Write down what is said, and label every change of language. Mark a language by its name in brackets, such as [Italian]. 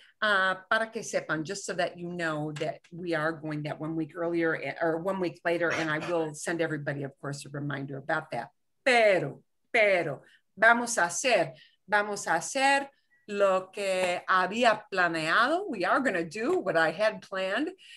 [Spanish] Para que sepan, [English] just so that you know that we are going that 1 week earlier or 1 week later, and I will send everybody, of course, a reminder about that. [Spanish] Pero, vamos a hacer lo que había planeado. [English] We are going to do what I had planned.